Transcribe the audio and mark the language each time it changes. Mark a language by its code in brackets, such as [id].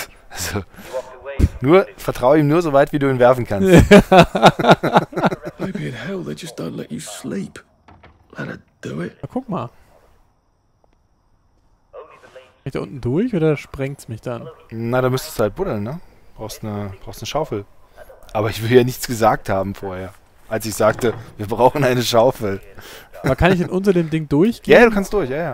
[de] Also, nur vertraue ihm nur so weit, wie du ihn werfen kannst. [en] Maybe in hell they just don't let you sleep. Let her do it. [de] Na, guck mal. Kann ich da unten durch oder sprengt's mich dann? Na, da müsstest du halt buddeln, ne? Brauchst eine Schaufel. Aber ich will ja nichts gesagt haben vorher. Als ich sagte, wir brauchen eine Schaufel. Aber kann ich denn unter dem Ding durchgehen? Ja, du kannst durch, ja, ja.